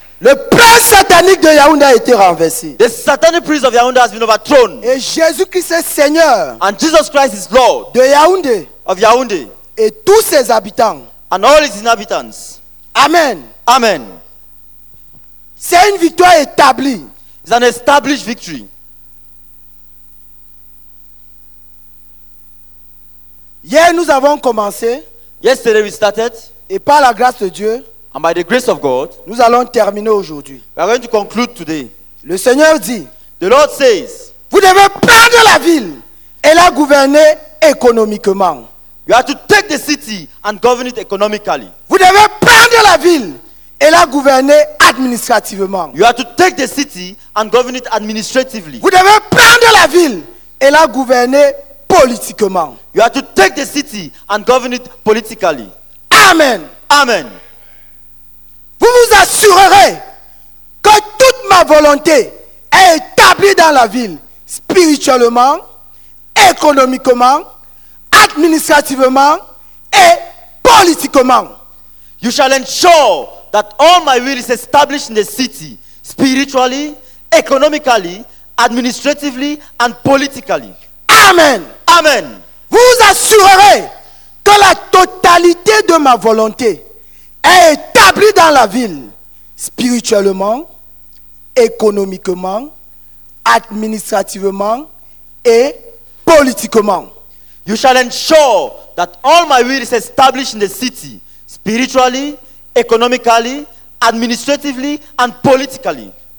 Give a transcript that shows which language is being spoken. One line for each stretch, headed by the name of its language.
French: Le prince satanique de Yaoundé a été renversé.
English: The satanic prince of Yaoundé has been overthrown.
French: Et Jésus-Christ est Seigneur.
English: And Jesus Christ is Lord.
French: De Yaoundé.
English: Of Yaoundé.
French: Et tous ses habitants.
English: And all its inhabitants. Amen. Amen.
French: C'est une victoire établie.
English: It's an established victory.
French: Hier nous avons commencé.
English: Yesterday we started.
French: Et par la grâce de Dieu.
English: And by the grace of God,
French: nous allons terminer aujourd'hui.
English: We are going to conclude today.
French: Le Seigneur dit,
English: the Lord says,
French: vous devez prendre la ville et la gouverner économiquement.
English: You have to take the city and govern it economically.
French: Vous devez prendre la ville et la gouverner administrativement.
English: You have to take the city and govern it administratively.
French: Vous devez prendre la ville et la gouverner politiquement.
English: You have to take the city and govern it politically. Amen. Amen.
French: Vous vous assurerez que toute ma volonté est établie dans la ville, spirituellement, économiquement, administrativement et politiquement.
English: You shall ensure that all my will is established in the city, spiritually, economically, administratively and politically. Amen. Amen.
French: Vous vous assurerez que la totalité de ma volonté est établi dans la ville, spirituellement, économiquement, administrativement et politiquement.
English: You shall ensure that all my will is established in the city, spiritually, economically, administratively and politically.